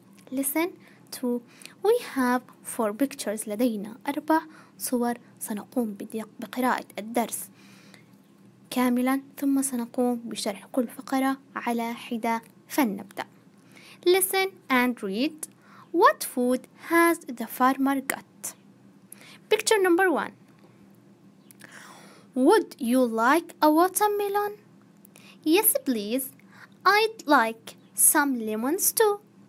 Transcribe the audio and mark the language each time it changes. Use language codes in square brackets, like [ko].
[en] listen to we have 4 pictures، [ar] لدينا 4 صور. سنقوم بقراءة الدرس كاملا ثم سنقوم بشرح كل فقرة على حدة. فلنبدأ. [en] listen and read. what food has the farmer got؟ Picture number one. Would you like a watermelon? Yes, please. I'd like some lemons too.